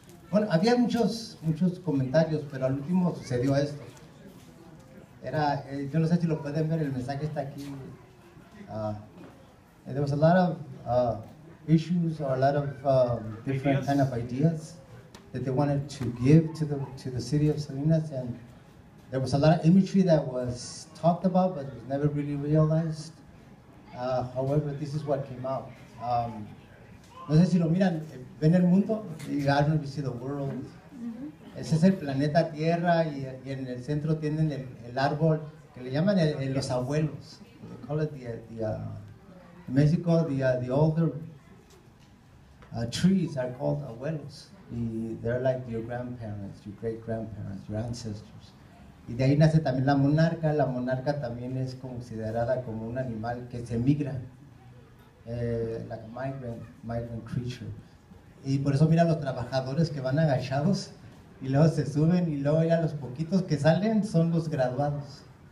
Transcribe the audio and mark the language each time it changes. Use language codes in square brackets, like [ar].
[es] Bueno, había muchos comentarios, pero al último sucedió esto. Yo no sé si lo pueden ver, el mensaje está aquí. [en] There was a lot of issues or a lot of different kind of ideas that they wanted to give to the city of Salinas, and there was a lot of imagery that was talked about but was never really realized. However, this is what came out. [es] No sé si lo miran, ven el mundo, [en] you guys don't see the world. [es] Ese es el planeta Tierra, y en el centro tienen el árbol que le llaman los abuelos. [en] They call it in Mexico, the older trees are called abuelos. They're like your grandparents, your great grandparents, your ancestors. [es] Y de ahí nace también la monarca. La monarca también es considerada como un animal que se migra, [en] like a migrant creature. [es] Y por eso mira a los trabajadores que van agachados. Y luego se suben, y luego ya los poquitos que salen son los graduados.